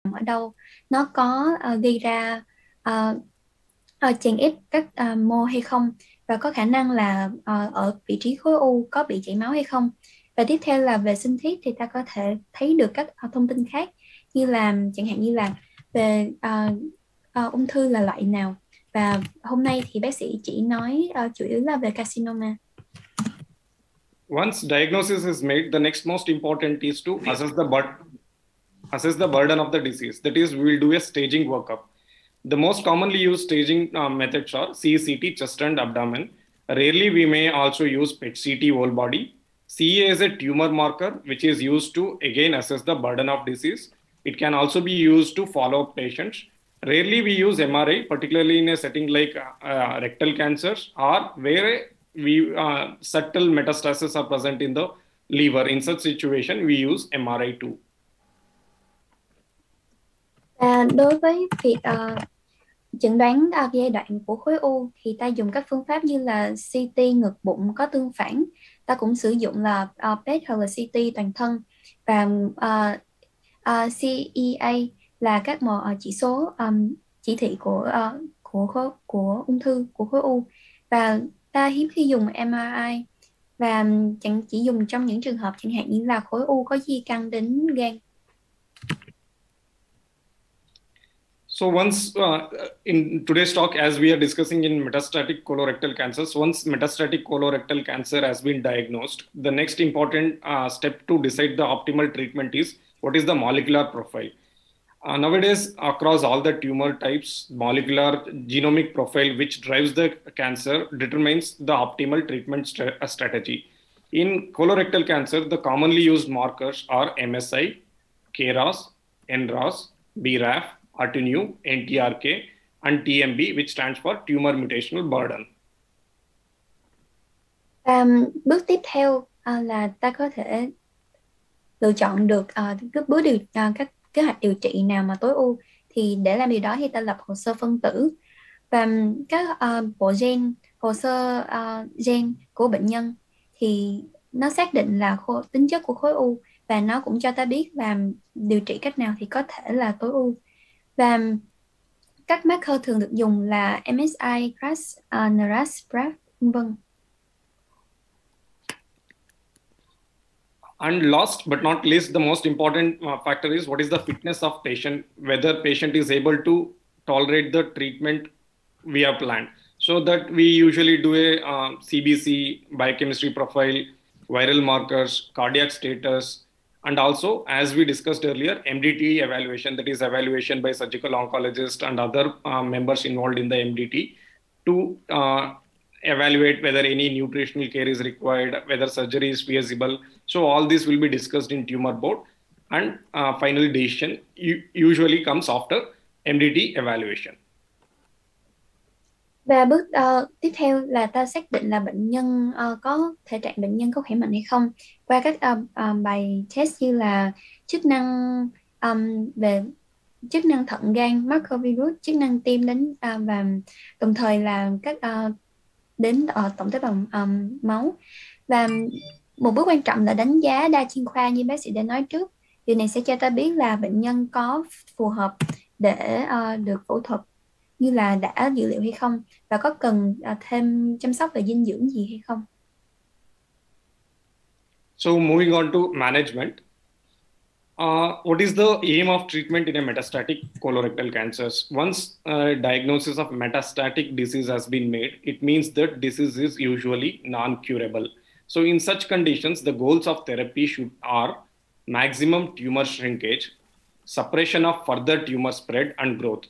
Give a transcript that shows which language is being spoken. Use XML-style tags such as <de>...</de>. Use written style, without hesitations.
<vi>ở đâu, nó có gây ra chèn ép các mô hay không, và có khả năng là ở vị trí khối u có bị chảy máu hay không. Và tiếp theo là về sinh thiết thì ta có thể thấy được các thông tin khác, như là chẳng hạn như là về ung thư là loại nào, và hôm nay thì bác sĩ chỉ nói chủ yếu là về carcinoma.</vi> <en>Once diagnosis is made, the next most important is to assess the burden of the disease. That is, we will do a staging workup. The most commonly used staging methods are CCT, chest and abdomen. Rarely, we may also use PET CT, whole body. CEA is a tumor marker, which is used to, again, assess the burden of disease. It can also be used to follow up patients. Rarely, we use MRI, particularly in a setting like rectal cancers or where subtle metastases are present in the liver. In such situation, we use MRI too.</en> <vi>À, đối với việc chẩn đoán giai đoạn của khối u thì ta dùng các phương pháp như là CT ngực bụng có tương phản, ta cũng sử dụng là PET hoặc là CT toàn thân, và CEA là các mô chỉ số chỉ thị của ung thư của khối u, và ta hiếm khi dùng MRI, và chẳng chỉ dùng trong những trường hợp chẳng hạn như là khối u có di căn đến gan.</vi> <en>So once in today's talk, as we are discussing in metastatic colorectal cancers, once metastatic colorectal cancer has been diagnosed, the next important step to decide the optimal treatment is what is the molecular profile. Nowadays, across all the tumor types, molecular genomic profile, which drives the cancer, determines the optimal treatment strategy. In colorectal cancer, the commonly used markers are MSI, KRAS, NRAS, BRAF, RTNU, NTRK, and TMB, which stands for tumor mutational burden.</en> <vi>Bước tiếp theo là ta có thể lựa chọn được các kế hoạch điều trị nào mà tối ưu. Thì để làm điều đó thì ta lập hồ sơ phân tử, và các bộ gen, hồ sơ gen của bệnh nhân thì nó xác định là tính chất của khối u, và nó cũng cho ta biết làm điều trị cách nào thì có thể là tối ưu. Và các marker thường được dùng là MSI, CRAS, NRAS, BRAF, v.v.</vi> <en>And last but not least, the most important factor is what is the fitness of patient, whether patient is able to tolerate the treatment we have planned. So that we usually do a CBC, biochemistry profile, viral markers, cardiac status, and also, as we discussed earlier, MDT evaluation, that is evaluation by surgical oncologist and other members involved in the MDT to evaluate whether any nutritional care is required, whether surgery is feasible. So all this will be discussed in tumor board, and final decision usually comes after MDT evaluation.</en> <vi>Và bước tiếp theo là ta xác định là bệnh nhân có thể trạng bệnh nhân có khỏe mạnh hay không qua các bài test như là chức năng về chức năng thận, gan, microvirus, chức năng tim đến và đồng thời là các đến ở tổng tế bào máu. Và một bước quan trọng là đánh giá đa chuyên khoa như bác sĩ đã nói trước. Điều này sẽ cho ta biết là bệnh nhân có phù hợp để được phẫu thuật như là đã dự liệu hay không, và có cần thêm chăm sóc về dinh dưỡng gì hay không.</vi> <en>So moving on to management. What is the aim of treatment in a metastatic colorectal cancers? Once a diagnosis of metastatic disease has been made, it means that disease is usually non-curable. So in such conditions, the goals of therapy are maximum tumor shrinkage, suppression of further tumor spread and growth.</en>